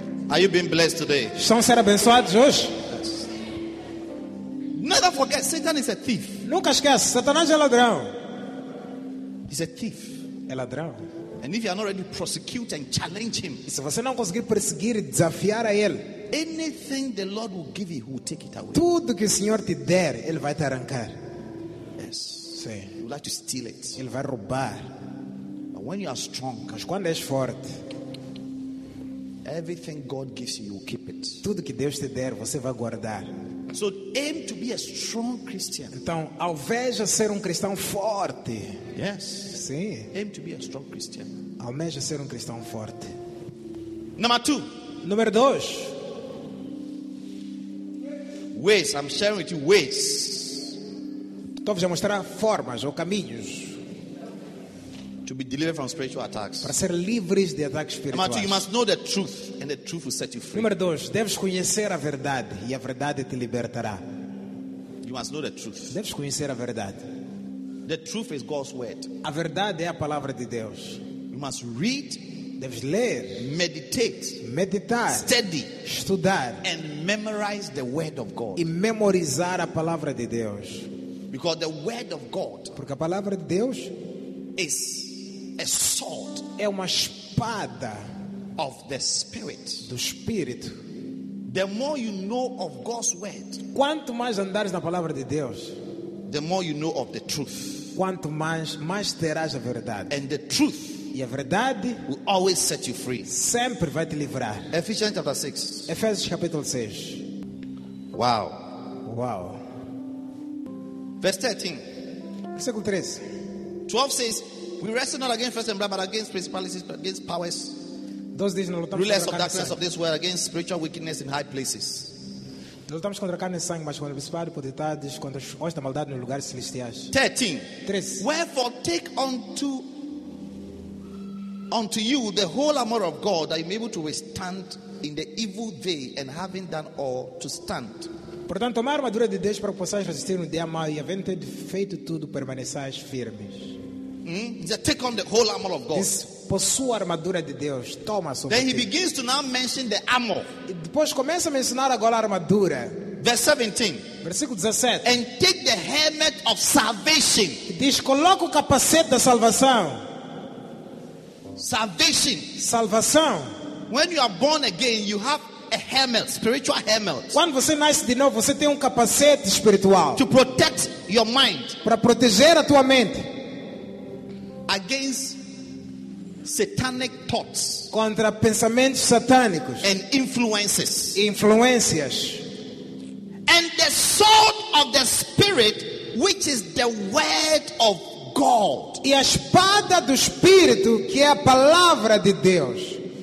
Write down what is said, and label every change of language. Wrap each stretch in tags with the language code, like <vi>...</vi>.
<en>Are you being blessed today?</en> <pt>Estão sendo abençoados hoje?</pt> <en>Yes. Never forget, Satan is a thief.</en> <pt>Nunca esquece, Satanás é ladrão.</pt> <en>He's a thief.</en> <pt>É ladrão.</pt> <en>And if you are not ready to prosecute and challenge him,</en> <pt>e se você não conseguir perseguir e desafiar a ele,</pt> <en>anything the Lord will give you, he will take it away.</en> <pt>Tudo que o Senhor te der, ele vai te arrancar.</pt> <en>Yes.</en> <pt>Sim.</pt> <en>He would like to steal it.</en> <pt>Ele vai roubar.</pt> <en>But when you are strong,</en> <pt>mas quando és forte,</pt> <en>everything God gives you, you keep it.</en> <pt>Tudo que Deus te der, você vai guardar.</pt> <en>So aim to be a strong Christian.</en> <pt>Então, alveja ser cristão forte.</pt> <en>Yes.</en> <pt>Sim.</pt> <en>Aim to be a strong Christian.</en> <pt>Almeja ser cristão forte.</pt> <en>Number two.</en> <pt>Número dois.</pt> <en>Ways. I'm sharing with you ways.</en> <pt>Estou a mostrar formas ou caminhos.</pt> <en>To be delivered from spiritual attacks.</en> <pt>Para ser livres de ataques espirituais.</pt> <en>Number two, you must know the truth, and the truth will set you free.</en> <pt>Número dois, deves conhecer a verdade e a verdade te libertará.</pt> <en>You must know the truth.</en> <pt>Deves conhecer a verdade.</pt> <en>The truth is God's word.</en> <pt>A verdade é a palavra de Deus.</pt> <en>You must read.</en> <pt>Deves ler.</pt> <en>Meditate.</en> <pt>Meditar.</pt> <en>Study.</en> <pt>Estudar.</pt> <en>And memorize the word of God.</en> <pt>E memorizar a palavra de Deus.</pt> <en>Because the word of God.</en> <pt>Porque a palavra de Deus.</pt> <en>Is a sword,</en> <pt>é uma espada</pt> <en>of the spirit,</en> <pt>do espírito.</pt> <en>The more you know of God's word,</en> <pt>quanto mais andares na palavra de Deus,</pt> <en>the more you know of the truth,</en> <pt>quanto mais terás a verdade.</pt> <en>And the truth,</en> <pt>e a verdade,</pt> <en>will always set you free,</en> <pt>sempre vai te livrar.</pt> <en>Ephesians chapter 6.</en> <pt>Efésios capítulo 6. Wow. Wow.</pt> <en>Verse 13.</en> <pt>Versículo 13.</pt> <en>12 says, we wrestle not against flesh and blood, but against principalities, but against powers. Those days, no, lutamos rulers of darkness of this world, against spiritual wickedness in high places.</en> <pt>Não lutamos contra carne e sangue, mas contra principados, potestades, contra os hostes da maldade nos lugares celestiais.</pt> <en>13.</en> <pt>13.</pt> <en>Wherefore take unto you the whole armor of God, that you may be able to withstand in the evil day, and having done all, to stand.</en> <pt>Portanto, tomar a armadura de Deus para que possais resistir no dia mau e, havendo tendo feito tudo, permaneçais firmes.</pt> <en>Take on the whole armor of God.</en> <pt>Possua a armadura de Deus. Toma a sua.</pt> <en>Then he begins to now mention the armor.</en> <pt>Depois começa a mencionar agora a armadura.</pt> <en>Verse 17.</en> <pt>Versículo 17.</pt> <en>And take the helmet of salvation.</en> <pt>Diz, coloca o capacete da salvação.</pt> <en>Salvation.</en> <pt>Salvação.</pt> <en>When you are born again, you have a helmet, spiritual helmet.</en> <pt>Quando você nasce de novo, você tem capacete espiritual.</pt> <en>To protect your mind.</en> <pt>Para proteger a tua mente.</pt> <en>Against satanic thoughts,</en> <pt>contra pensamentos satânicos,</pt> <en>and influences,</en> <pt>influências,</pt> <en>and the sword of the spirit, which is the word of God.</en> <pt>E a espada do espírito, que é a palavra de Deus.</pt>